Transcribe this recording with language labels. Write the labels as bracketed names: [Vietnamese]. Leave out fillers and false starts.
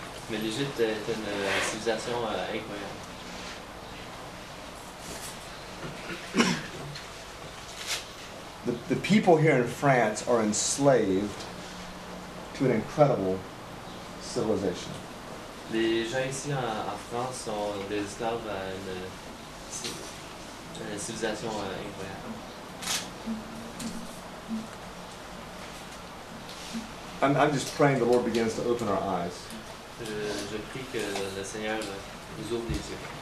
[French] Mais l'Égypte était une civilisation incroyable. [English] The people here in France are enslaved to an incredible civilization. [French] Les gens ici en France sont des esclaves à une civilisation incroyable. [English] I'm just praying the Lord begins to open our eyes. [French] Je prie que le Seigneur nous ouvre les yeux.